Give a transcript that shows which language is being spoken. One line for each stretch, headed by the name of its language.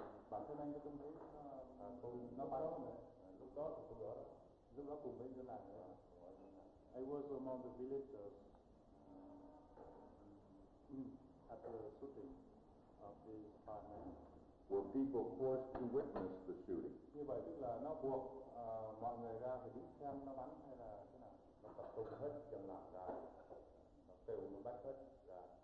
Vietnamese: Bản thân anh cũng thấy nó bắn rồi. Lúc đó cùng bên dân làng nữa.
English: I was among the villagers at the shooting of this firemen. Were people forced to witness the shooting?
Vietnamese: Như vậy tức là nó buộc mọi người ra phải đứng xem nó bắn hay là thế nào? Nó tập trung hết dân làng ra, nó kêu nó bắt hết ra.